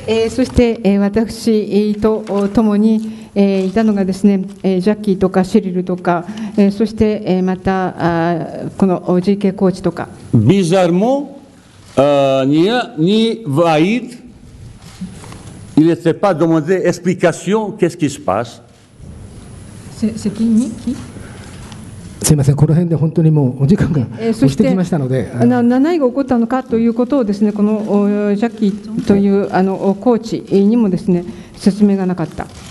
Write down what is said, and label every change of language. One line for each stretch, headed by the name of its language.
Japanese: そして私と共にいたのがですね、ジャッキーとかシリルとか、そしてまたこの GK コーチとか。
French: Bizarrement, ni Vaïd, il n'était pas demandé explication qu'est-ce qui se passe. C'est qui, ni qui?
Japanese: すいません、この辺で本当にもうお時間が押してきましたので、何が起こったのかということをですね、このジャッキーというあのコーチにもですね説明がなかった。